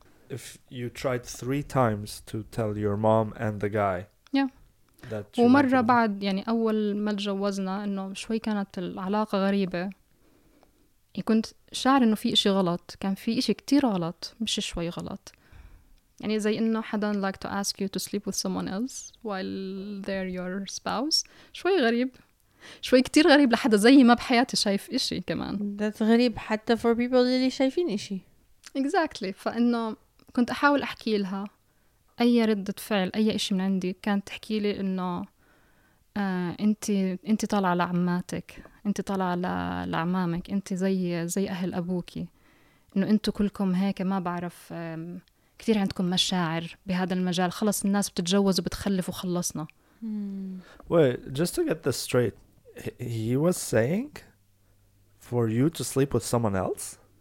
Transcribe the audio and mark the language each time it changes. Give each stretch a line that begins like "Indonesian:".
English: If you tried 3 times to tell your mom and the guy. Yeah.
Arabic: ومرة بعد يعني أول ما تجوزنا إنه شوي كانت العلاقة غريبة. كنت شاعر إنه في إشي غلط، كان في إشي كتير غلط مش شوي غلط. يعني زي إنه حدا
English: like to ask you to sleep with someone else while they're your spouse.
Arabic: شوي غريب. شوي كتير غريب لحدا زي ما بحياتي شايف إشي كمان.
English: That's
Arabic: غريب حتى
English: for people
Arabic: اللي شايفين إشي.
English: Exactly.
Arabic: فإنه كنت أحاول أحكي لها أي ردة فعل أي إشي من عندي كانت تحكي لي إنه أنت طالعة لعماتك, أنت طالعة لعمامك, أنت زي أهل أبوكي, إنه أنتوا كلكم هيك, ما بعرف كتير عندكم مشاعر بهذا المجال, خلص الناس بتتجوز وبتخلف وخلصنا.
English: Wait, just to get this straight, he was saying for you to sleep with someone else?